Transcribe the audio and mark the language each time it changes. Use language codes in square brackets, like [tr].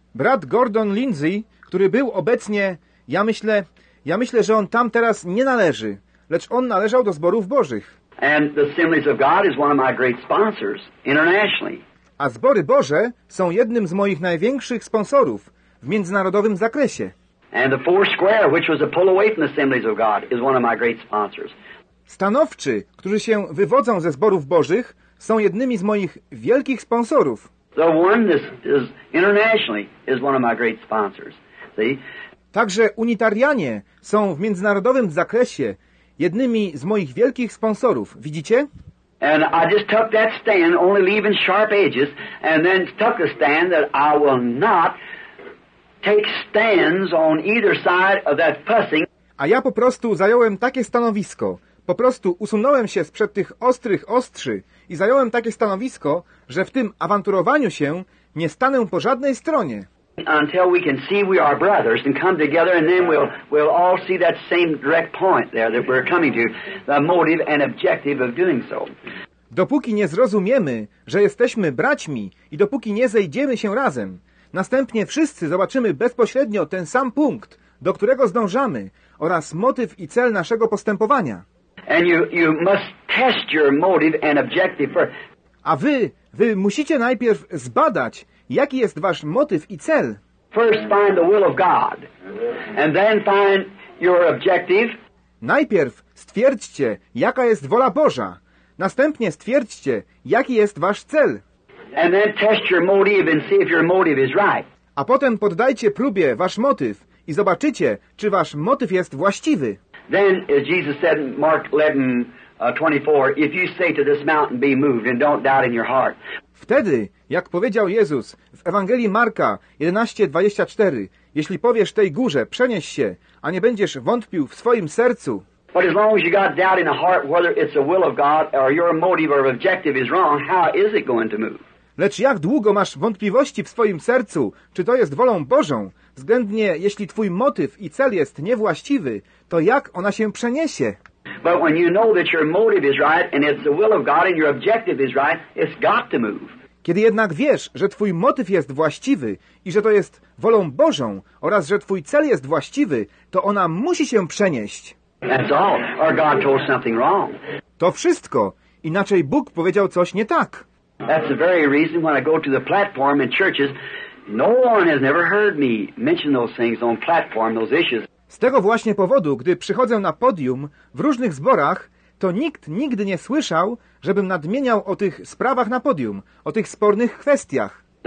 [pl] Brat Gordon Lindsay, który był obecnie, ja myślę, że on tam teraz nie należy, lecz on należał do zborów Bożych. [en] And the Assemblies of God is one of my great sponsors internationally. [pl] A zbory Boże są jednym z moich największych sponsorów w międzynarodowym zakresie. [en] And the Four Square, which was a pull away from the Assemblies of God, is one of my great sponsors. [pl] Stanowczy, którzy się wywodzą ze zborów Bożych, są jednymi z moich wielkich sponsorów. [en] The Oneness is internationally is one of my great sponsors. See? [pl] Także unitarianie są w międzynarodowym zakresie jednymi z moich wielkich sponsorów. Widzicie? [en] And I just took that stand, only leaving sharp edges, and then took a stand that I will not take stands on either side of that fussing. [pl] A ja po prostu zająłem takie stanowisko. Po prostu usunąłem się sprzed tych ostrych ostrzy i zająłem takie stanowisko, że w tym awanturowaniu się nie stanę po żadnej stronie. [en] Until we can see we are brothers and come together, and then we'll all see that same direct point there that we're coming to, the motive and objective of doing so. [pl] Dopóki nie zrozumiemy, że jesteśmy braćmi i dopóki nie zejdziemy się razem, następnie wszyscy zobaczymy bezpośrednio ten sam punkt, do którego zdążamy, oraz motyw i cel naszego postępowania. [en] And you must test your motive and objective first. [pl] A wy musicie najpierw zbadać, jaki jest wasz motyw i cel? [en] First find the will of God, and then find your objective. [pl] Najpierw stwierdźcie, jaka jest wola Boża. Następnie stwierdźcie, jaki jest wasz cel. [en] And then test your motive and see if your motive is right. [pl] A potem poddajcie próbie wasz motyw i zobaczycie, czy wasz motyw jest właściwy. [en] Then, as Jesus said in Mark 11, 24, if you say to this mountain, be moved, and don't doubt in your heart. [pl] Wtedy, jak powiedział Jezus w Ewangelii Marka 11:24, jeśli powiesz tej górze, przenieś się, a nie będziesz wątpił w swoim sercu. [en] But as long as you got doubt in the heart whether it's the will of God or your motive or objective is wrong, how is it going to move? [pl] Lecz jak długo masz wątpliwości w swoim sercu, czy to jest wolą Bożą, względnie jeśli twój motyw i cel jest niewłaściwy, to jak ona się przeniesie? [en] But when you know that your motive is right and it's the will of God and your objective is right, it's got to move. [pl] Kiedy jednak wiesz, że twój motyw jest właściwy i że to jest wolą Bożą oraz że twój cel jest właściwy, to ona musi się przenieść. [en] That's all. Or God told something wrong. [pl] To wszystko. Inaczej Bóg powiedział coś nie tak. [en] That's the very reason when I go to the platform in churches, no one has never heard me mention those things on platform, those issues. [pl] Z tego właśnie powodu, gdy przychodzę na podium w różnych zborach, to nikt nigdy nie słyszał, żebym nadmieniał o tych sprawach na podium, o tych spornych kwestiach.